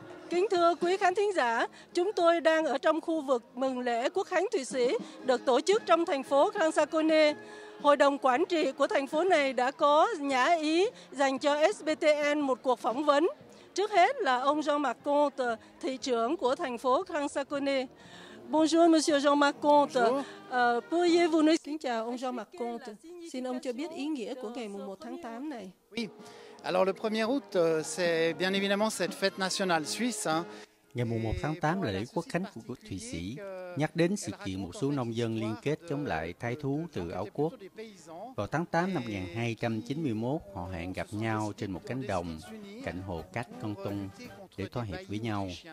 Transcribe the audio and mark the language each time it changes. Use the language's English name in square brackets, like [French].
[Vietnamese] Kính thưa quý khán thính giả, chúng tôi đang ở trong khu vực mừng lễ Quốc khánh Thụy Sĩ được tổ chức trong thành phố Kansakone. Hội đồng quản trị của thành phố này đã có nhã ý dành cho SBTN một cuộc phỏng vấn. Trước hết là ông Jean-Marc Comte, thị trưởng của thành phố Kansakone. [French] Bonjour monsieur Jean-Marc Comte. Pourriez-vous nous... [Vietnamese] Kính chào ông Jean-Marc Comte. Xin ông cho biết ý nghĩa của ngày 1 tháng 8 này. [French] Oui. Alors le 1er août, c'est bien évidemment cette fête nationale suisse, hein. [Vietnamese] Ngày 1 tháng 8 là lễ quốc khánh của Thụy Sĩ. Nhắc đến sự kiện một số nông dân liên kết chống lại thái thú từ Áo Quốc. Vào tháng 8 năm 1291, họ hẹn gặp nhau trên một cánh đồng cạnh hồ Cát Con Tung để thỏa hiệp với nhau.